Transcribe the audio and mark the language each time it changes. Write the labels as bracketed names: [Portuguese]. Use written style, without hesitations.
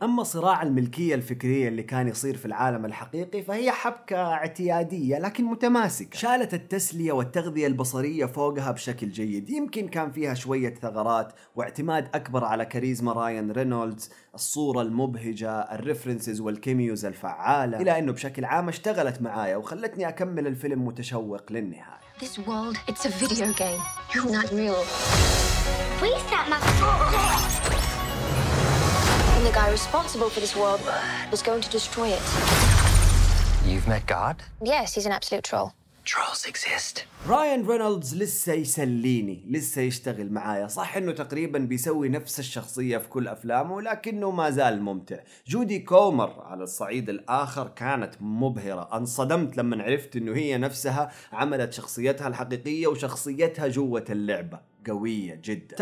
[Arabic] أما صراع الملكية الفكرية اللي كان يصير في العالم الحقيقي فهي حبكة اعتيادية لكن متماسكة، شالت التسلية والتغذية البصرية فوقها بشكل جيد. يمكن كان فيها شوية ثغرات واعتماد أكبر على كاريزما رايان رينولدز، الصورة المبهجة، الريفرنسز والكيميوز الفعالة، إلى أنه بشكل عام اشتغلت معايا وخلتني أكمل الفيلم متشوق للنهاية. [English] This world, it's a video game. You're not real. Where is that motherfucker? And the guy responsible for this world was going to destroy it. You've met God? Yes, he's an absolute troll. Trolls exist. [Arabic] رايان رينولدز لسه يسليني، لسه يشتغل معايا. صح انه تقريبا بيسوي نفس الشخصية في كل افلامه لكنه ما زال ممتع. جودي كومر على الصعيد الاخر كانت مبهرة، انصدمت لما عرفت انه هي نفسها عملت شخصيتها الحقيقية وشخصيتها جوة اللعبة، قوية جدا.